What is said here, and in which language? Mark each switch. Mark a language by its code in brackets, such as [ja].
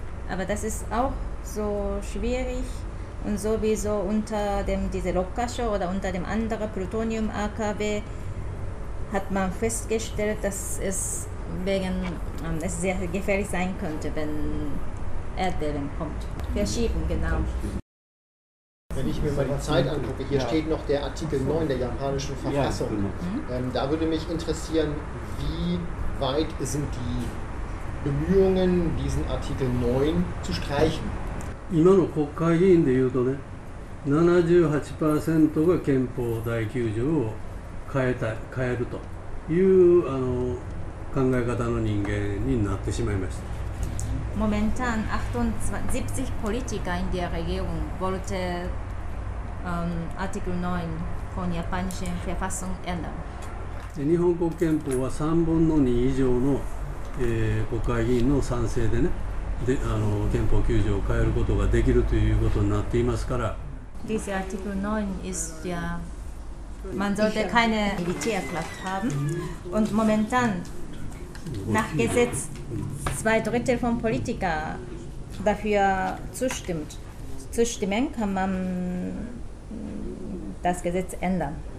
[de] Aber das ist auch so schwierig und sowieso unter dem diese Lokasho oder unter dem anderen Plutonium-AKW hat man festgestellt, dass es wegen es sehr gefährlich sein könnte, wenn Erdbeben kommt. Verschieben, genau. Wenn ich mir mal die Zeit angucke, hier steht noch der Artikel 9 der japanischen Verfassung. Da würde mich interessieren, wie weit sind die Bemühungen, diesen Artikel 9 zu streichen? [ja] 今の国会議員で言うとね 78% が憲法第9条を変えるという考え方の人間になってしまいました。 [de] Momentan 78 Politiker in der Regierung wollte Artikel 9 von japanischen Verfassung ändern. [ja] 日本国憲法は 3分の2以上の国会議員の賛成でね で、憲法9条を変えることができるということになっていますから [de] Dieser Artikel 9 ist ja, man sollte keine Militärkraft haben und momentan nach Gesetz 2/3 von Politiker dafür zustimmt. Zustimmen kann man das Gesetz ändern.